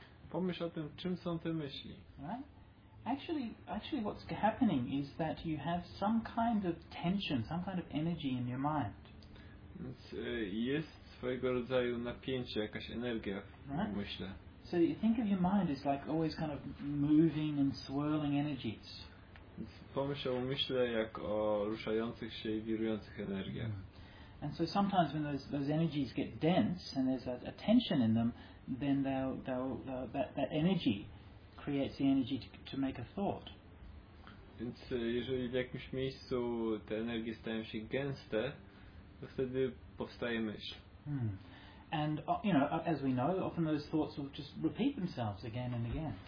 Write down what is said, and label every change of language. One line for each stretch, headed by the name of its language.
Polish: Pomyśl o tym, czym są te myśli.
English: Actually what's happening is that you have some kind of tension, some kind of energy in your mind.
Polish: Więc jest swojego rodzaju napięcie, jakaś energia w myśle.
English: So you think of your mind as like always kind of moving and swirling energies.
Polish: Pomyśl o umyśle jak o ruszających się i wirujących energiach.
English: And so sometimes when those energies get dense and there's a tension in them, then that energy creates the energy to make a thought.
Polish: Więc jeżeli w jakimś miejscu te energie stają się gęste, to wtedy powstaje myśl.
English: And you know, as we know, often those thoughts will just repeat themselves again and again.